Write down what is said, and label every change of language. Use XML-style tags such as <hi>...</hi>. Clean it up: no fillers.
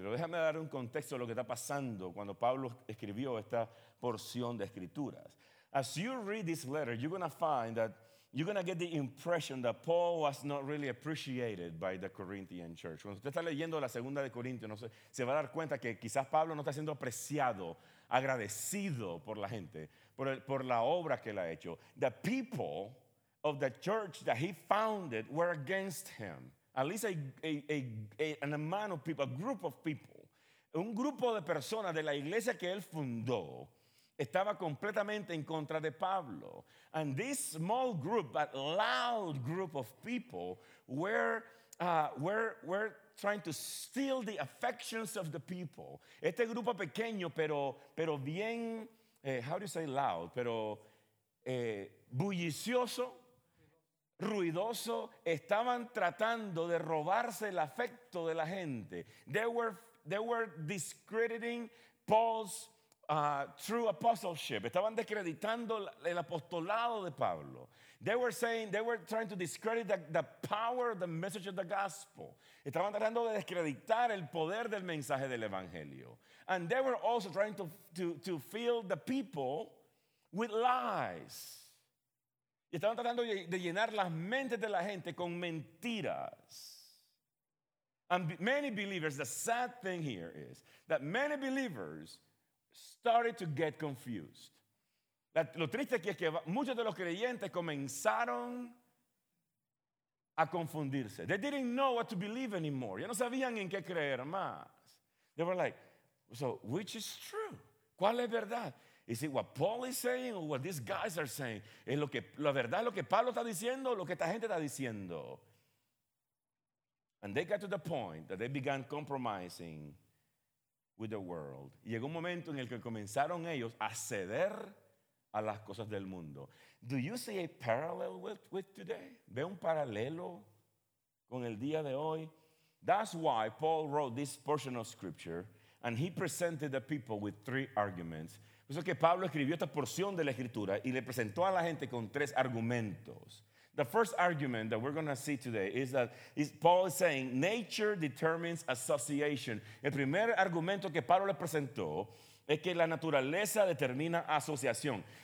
<es>Pero déjame dar un contexto de lo que está pasando cuando Pablo escribió esta porción de escrituras.</es> <en>As you read this letter, you're going to find that you're going to get the impression that Paul was not really appreciated by the Corinthian church.</en> <es>Cuando usted está leyendo la segunda de Corintios, no sé, se va a dar cuenta que quizás Pablo no está siendo apreciado, agradecido por la gente, por la obra que él ha hecho.</es> <en>The people of the church that he founded were against him. At least an amount of people, a group of people.</en> <es>Un grupo de personas de la iglesia que él fundó estaba completamente en contra de Pablo.</es> <en>And this small group, but loud group of people, were trying to steal the affections of the people.</en> <es>Este grupo pequeño, pero bien,</es> <en>how do you say loud,</en> <es>pero bullicioso, ruidoso, estaban tratando de robarse el afecto de la gente.</es> <en>They were discrediting Paul's true apostleship.</en> <es>Estaban descreditando el apostolado de Pablo.</es> <en>They were trying to discredit the power of the message of the gospel.</en> <es>Estaban tratando de descreditar el poder del mensaje del evangelio.</es> <en>And they were also trying to fill the people with lies.</en> <es>Y estaban tratando de llenar las mentes de la gente con mentiras.</es> <en>And many believers, the sad thing here is that many believers started to get confused.</en> <es>Lo triste aquí es que muchos de los creyentes comenzaron a confundirse.</es> <en>They didn't know what to believe anymore.</en> <es>Ya no sabían en qué creer más.</es> <en>They were like, so which is true?</en> <es>¿Cuál es verdad?</es> <en>Is it what Paul is saying or what these guys are saying?</en> <es>¿Es lo que la verdad es lo que Pablo está diciendo o lo que esta gente está diciendo?</es> <en>And they got to the point that they began compromising with the world.</en> <es>Y llegó un momento en el que comenzaron ellos a ceder a las cosas del mundo.</es> <en>Do you see a parallel with today?</en> <es>¿Ve un paralelo con el día de hoy?</es> <en>That's why Paul wrote this portion of scripture and he presented the people with three arguments.</en> <es>Por eso que Pablo escribió esta porción de la escritura y le presentó a la gente con tres argumentos.</es> <en>The first argument that we're going to see today is that Paul is saying nature determines association.</en> <es>El primer argumento que Pablo le presentó es que la naturaleza determina asociación.</es>